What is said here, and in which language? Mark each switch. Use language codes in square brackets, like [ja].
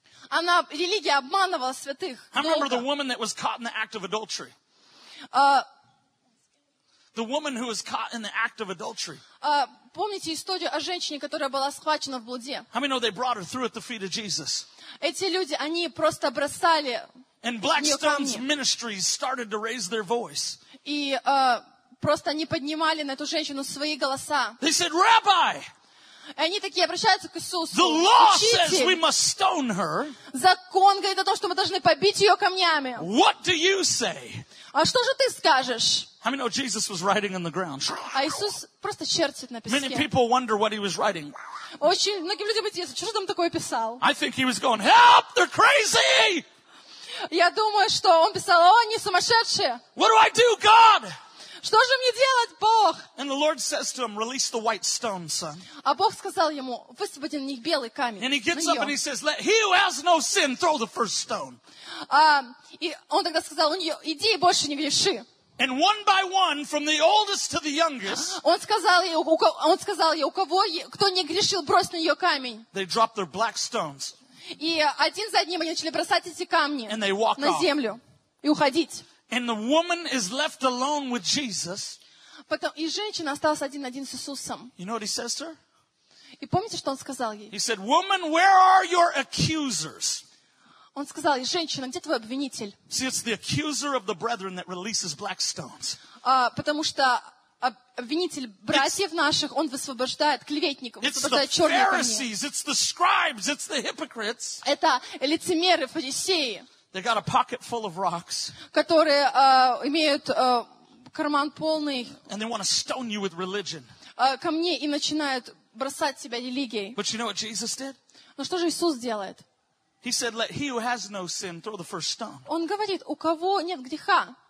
[ru] Она, религия, обманывала святых. [en] I remember the woman that was caught in the act of adultery. The woman who was caught in the act of adultery. [ru] Помните историю о женщине, которая была схвачена в блуде? [en] How many know they brought her through at the feet of Jesus? [ru] Эти люди, они просто бросали [en] And Blackstone's ministries started to raise their voice. [ru] И просто они поднимали на эту женщину свои голоса. [en] They said, Rabbi! [ru] И они такие обращаются к Иисусу. [en] The law says we must stone her. [ru] Закон говорит о том, что мы должны побить ее камнями. [en] What do you say? [ru] А что же ты скажешь? [en] How many know Jesus was writing on the ground? [ru] А Иисус просто чертит на песке. [en] Many people wonder what he was writing. [ru] Очень многие люди удивляются, что же там такое писал. [en] I think he was going, help, they're crazy! [ru] Я думаю, что он писал, о, они сумасшедшие. [en] What do I do, God? [ru] Что же мне делать, Бог? [en] And the Lord says to him, release the white stone, son. [ru] А Бог сказал ему, высвободи на них белый камень. [en] And he gets up and he says, let he who has no sin throw the first stone. [ru] И он тогда сказал, иди и больше не греши. [en] And one by one, from the oldest to the youngest, [ru] он сказал ей, у кого, кто не грешил, брось на нее камень. [en] They dropped their black stones. [ru] И один за одним они начали бросать эти камни на землю и уходить. [en] And the woman is left alone with Jesus. [ru] И женщина осталась один-один с Иисусом. [en] You know what he says to her? [ru] И помните, что он сказал ей? [en] He said, woman, where are your accusers? [ru] Он сказал ей, женщина, где твой обвинитель? [en] See, it's the accuser of the brethren that releases black stones. [ru] Потому что обвинитель братьев наших, он высвобождает клеветников, высвобождает черные камни. [en] It's the Pharisees, it's the scribes, it's the hypocrites. [ru] Это лицемеры, фарисеи. [en] They got a pocket full of rocks. [ru] Которые имеют карман полный. [en] And they want to stone you with religion. [ru] Камни и начинают бросать тебя религией. [en] But you know what Jesus did? [ru] Но что же Иисус делает? [en] He said, "Let he who has no sin throw the first stone." [ru] Он говорит, у кого нет греха.